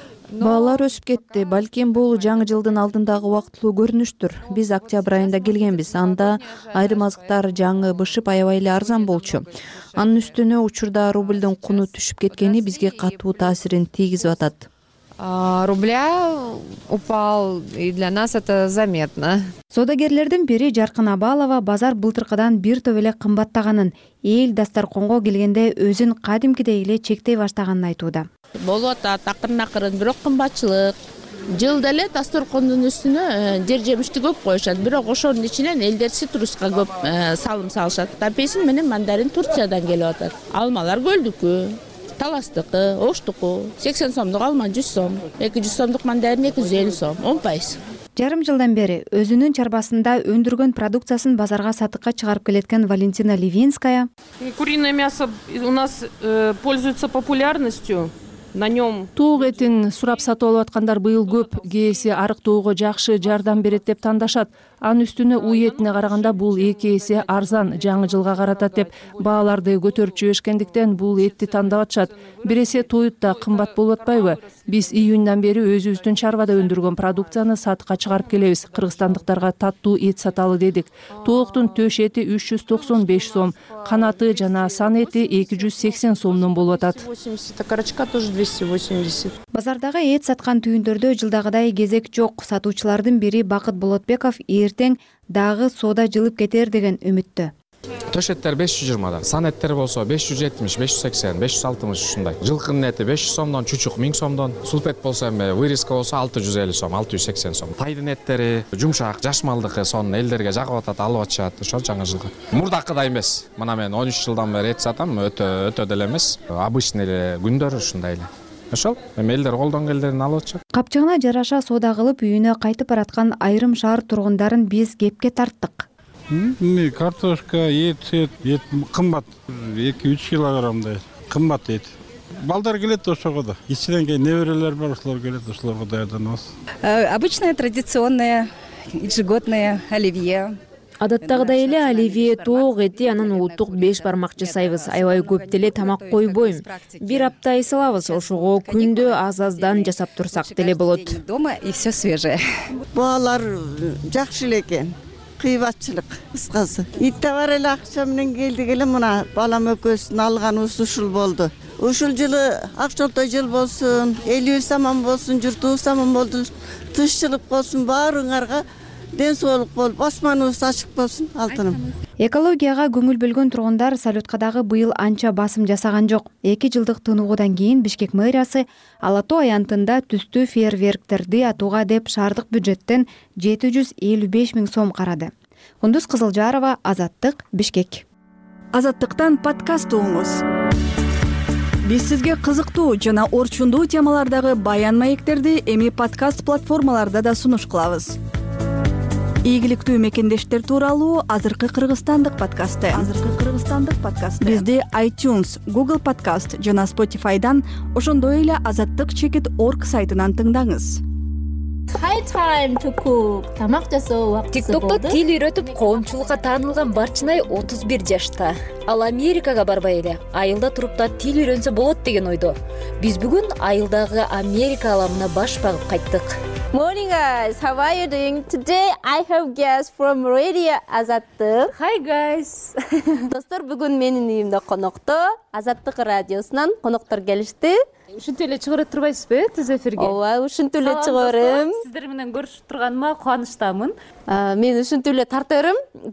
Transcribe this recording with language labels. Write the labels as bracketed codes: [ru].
[ky] Баалар өсүп кетти. Балким бул жаңы жылдын алдындагы убактылуу көрүнүштүр. Биз октябрь айында келгенбиз. Анда айрым азыктар жаңы бышып аябай эле арзан болчу. Анын үстүнө учурда рубльдун куну түшүп кеткени бизге катуу таасирин тийгизип атат. [ru] Рубля упал, и для нас это заметно. [ky] Соодагерлердин бири Жаркын Абалова базар былтыркыдан бир топ эле кымбаттаганын, эл дасторконго келгенде өзүн кадимкидей эле чектей баштаганын айтууда. Болуп атат акырын-акырын, бирок кымбатчылык. Жылда эле дасторкондун үстүнө жер жемишти көп коюшат, бирок ошонун ичинен элдер ситруска көп салым салышат. Апельсин менен мандарин Турциядан келип атат. Алмалар көлдүкү, таластыкы, оштуку. 80 сомдук алма 100 сом, 200 сомдук мандарин 250 сом, 10%. Жарым жылдан бери өзүнүн чарбасында өндүргөн продукциясын базарга сатыкка чыгарып келеткен Валентина Левинская. [ru] Куриное мясо у нас пользуется популярностью. [ky] Туук этин сурап сатып алып аткандар быйыл көп, кээси арыктоого жакшы жардам берет деп тандашат. Анын үстүнө уй этине караганда бул эки эсе арзан, жаңы жылга каратат деп бааларды көтөрүп жиберишкендиктен бул этти тандап атышат. Биресе тоют да кымбат болуп атпайбы? Биз июндан бери өзүбүздүн чарбада өндүргөн продукцияны сатыкка чыгарып келебиз. Кыргызстандыктарга таттуу эт саталы дедик. Тооктун төш эти 395 сом, канаты жана сан эти 280 сомдон болуп атат. Базардагы эт саткан түйүндөрдө жылдагыдай кезек жок. Сатуучулардын бири Бакыт Болотбеков эртең дагы соода жылып кетер деген үмүттө. Төш эттер 520, сан эттер болсо 570, 580, 560 ушундай. Жылкынын эти 500 сомдон, чучук 1000 сомдон. Сулп эт болсо эми вырезка болсо 650 сом, 680 сом. Тайдын эттери жумшак, жашмалдыкы сонун элдерге жагып атат, алып атышат ошол жаңы жылга. Мурдакыдай эмес. Мына мен 13 жылдан бери эт сатам, өтө деле эмес. Обычный эле күндөр ушундай эле. Ошол эми элдер колдон келдерин алып атышат. Капчыгына жараша соода кылып үйүнө кайтып бараткан айрым шаар тургундарын биз кепке тарттык. Эми картошка, эт кымбат, 2-3 килограммдай кымбат эт. Балдар келет ошого да. Кичинен кийин неберелер бар, ошолор келет, ошолорго даярданабыз. [ru] Обычное традиционное ежегодное оливье. [ky] Адаттагыдай эле оливье, тоок эти, анан улуттук беш бармакчы сайбыз. Аябай көп деле тамак койбойм. Бир апта эсалабыз, ошого күндө аз-аздан жасап турсак деле болот. [ru] Дома и все свежее. [ky] Баалар жакшы эле экен. кыйбатчылык кыскасы. Ит товар эле акча менен келди эле мына балам өкөсүн алган ушул болду. Ушул жылы акчолтой жыл болсун, элибиз аман болсун, журтубуз аман болсун, тынччылык болсун, баарыңарга ден соолук болуп, асманыбыз ачык болсун, алтыным. Экологияга көңүл бөлгөн тургундар салютка дагы быйыл анча басым жасаган жок. Эки жылдык тыныгуудан кийин Бишкек мэриясы Ала Тоо аянтында түстүү фейерверктерди атууга деп шаардык бюджеттен 755,000 сом карады. Кундуз Кызылжарова, Азаттык, Бишкек. Азаттыктан подкаст угуңуз. Биз сизге кызыктуу жана орчундуу темалардагы баян маектерди эми подкаст платформаларда да сунуш кылабыз. Ийгиликтүү мекендештер тууралуу азыркы кыргызстандык подкасты. Бизди iTunes, Google Podcast жана Spotify'дан, ошондой эле азаттык чекит орг сайтынан тыңдаңыз. [en] High time to cook. [ky] Тамак жасоо убактысы болду. TikTok'то тил үйрөтүп коомчулукка таанылган Барчынай 31 жашта. Ал Америкага барбай эле, айылда туруп да тил үйрөнсө болот деген ойдо. Биз бүгүн айылдагы Америка аламына баш багып кайттык. [en] Morning guys, how are you doing? Today I have guests from Radio Азаттык. Hi guys. [ky] Достор, бүгүн менин үйүмдө конокто, Азаттык радиосунан коноктор келишти. Ушинтип эле чыгарып турбайсызбы түз эфирге? Ооба, ушинтип эле чыгарым. Сиздер менен көрүшүп турганыма кубанычтамын. Мен ушинтип эле тарта берем.